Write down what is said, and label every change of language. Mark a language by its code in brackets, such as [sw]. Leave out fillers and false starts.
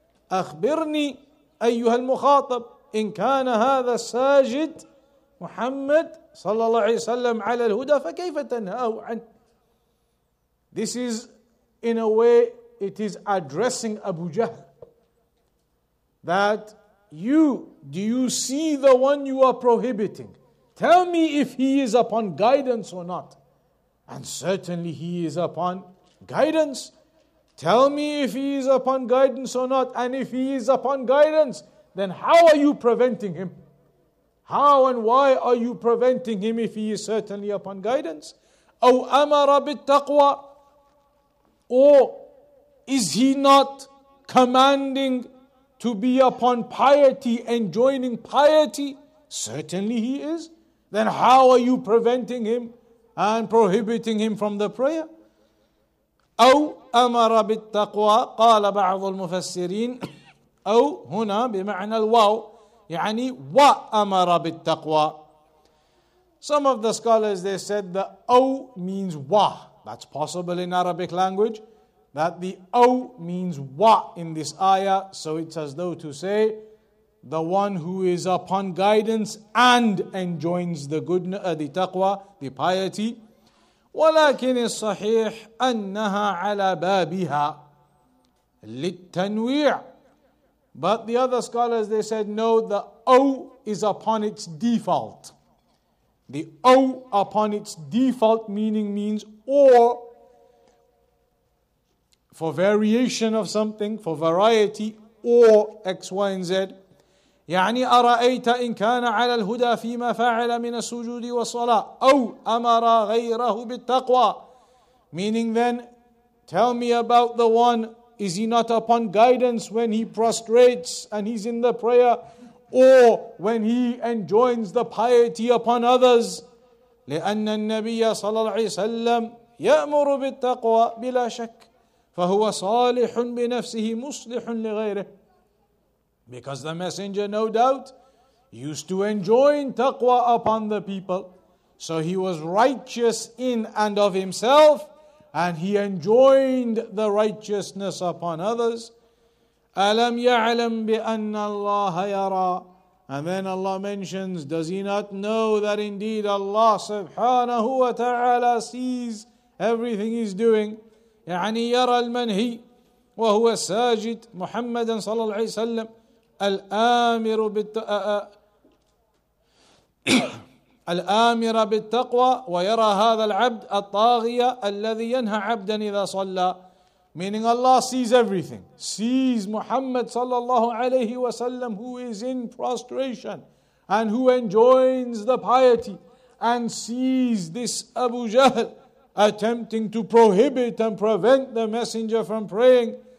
[ar] أخبرني أيها المخاطب إن كان هذا الساجد محمد صلى الله عليه وسلم على الهدى فكيف تنهاه عن. [en] This is, in a way, it is addressing Abu Jahl, that you, do you see the one you are prohibiting? Tell me if he is upon guidance or not. And certainly he is upon guidance. Tell me if he is upon guidance or not. And if he is upon guidance, then how are you preventing him? How and why are you preventing him if he is certainly upon guidance? [ar] أَوْ أَمَرَ بِالتَّقْوَىٰ. [en] Or is he not commanding to be upon piety, enjoining piety? Certainly he is. Then how are you preventing him and prohibiting him from the prayer? [ar] أو أمر بالتقوى قال بعض المفسرين أو هنا بمعنى الواو يعني وأمر بالتقوى. [en] Some of the scholars, they said that أو means وا. That's possible in Arabic language, that the أو means وا in this ayah. So it's as though to say the one who is upon guidance and enjoins the goodness, the taqwa, the piety. [ar] ولكن الصحيح أنها على بابها للتنويع. [en] But the other scholars, they said, no, the O is upon its default. The O upon its default meaning means or, for variation of something, for variety, or X, Y, and Z. [ar] يعني أرأيت إن كان على الهدى فيما فعل من السجود والصلاة أو أمر غيره بالتقوى. [en] Meaning then, tell me about the one, is he not upon guidance when he prostrates and he's in the prayer, or when he enjoins the piety upon others? [ar] لأن النبي صلى الله عليه وسلم يأمر بالتقوى بلا شك فهو صالح بنفسه مصلح لغيره. [en] Because the messenger, no doubt, used to enjoin taqwa upon the people. So he was righteous in and of himself, and he enjoined the righteousness upon others. [ar] أَلَمْ يَعْلَمْ بِأَنَّ اللَّهَ يَرَىٰ. [en] And then Allah mentions, does he not know that indeed Allah subhanahu wa ta'ala sees everything he's doing? [ar] يعني يرى المنهي وهو الساجد محمدا صلى الله عليه وسلم الآمر الآمر بالتقوى ويرى هذا العبد الطاغية الذي ينهى عبدا إذا صلى. [en] Meaning Allah sees everything, sees Muhammad صلى الله عليه وسلم who is in prostration and who enjoins the piety, and sees this Abu Jahl attempting to prohibit and prevent the messenger from praying.